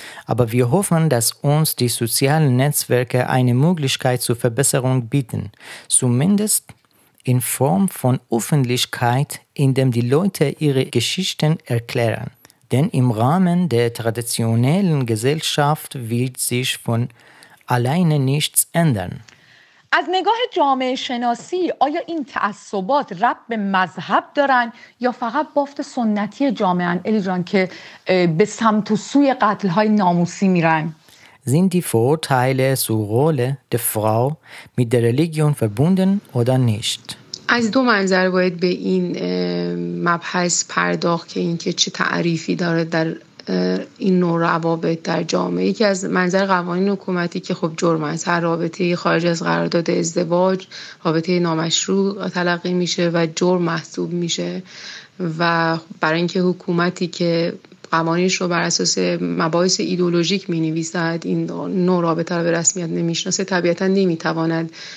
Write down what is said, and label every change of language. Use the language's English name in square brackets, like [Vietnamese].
[German] Aber wir hoffen, dass uns die sozialen Netzwerke eine Möglichkeit zur Verbesserung bieten, zumindest in Form von Öffentlichkeit, indem die Leute ihre Geschichten erklären. Denn im Rahmen der traditionellen Gesellschaft wird sich von alleine nichts ändern. [Persian] از نگاه جامعه شناسی آیا این تعصبات رب به مذهب دارن یا فقط بافت سنتی جامعه ان الی جان که به سمت و سوی قتل های ناموسی میرن؟ [German] Sind die Vorurteile zur Rolle der Frau mit der Religion verbunden oder nicht? [Persian] از دو منظر باید به این مبحث پرداخت که این که چه تعریفی داره در این نوع روابط در جامعه. یکی از منظر قوانین حکومتی که خب جرم است، هر رابطه خارج از قرارداد ازدواج رابطه نامشروع تلقی میشه و جرم محسوب میشه و برای اینکه حکومتی که قوانینش رو بر اساس مباحث ایدئولوژیک مینویسد این نوع رابطه رو به رسمیت نمیشناسه، طبیعتا نمیتواند